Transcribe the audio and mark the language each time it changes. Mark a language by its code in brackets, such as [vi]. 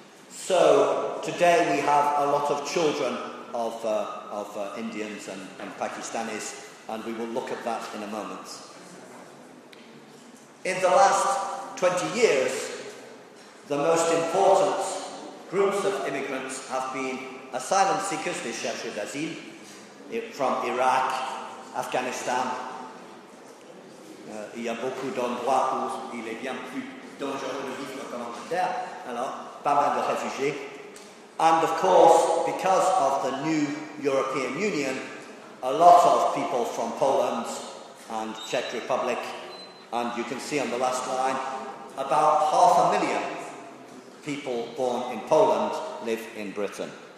[en] So today we have a lot of children of Indians and Pakistanis, and we will look at that in a moment. In the last 20 years, the most important groups of immigrants have been asylum seekers, [fr] les chercheurs d'asile, [en] from Iraq, Afghanistan. [fr] Il y a beaucoup d'endroits où il est bien plus dangereux de vivre qu'en Angleterre. Alors, pas mal de réfugiés. [en] And of course, because of the new European Union, a lot of people from Poland and Czech Republic, and you can see on the last line, about 500,000 people born in Poland live in Britain.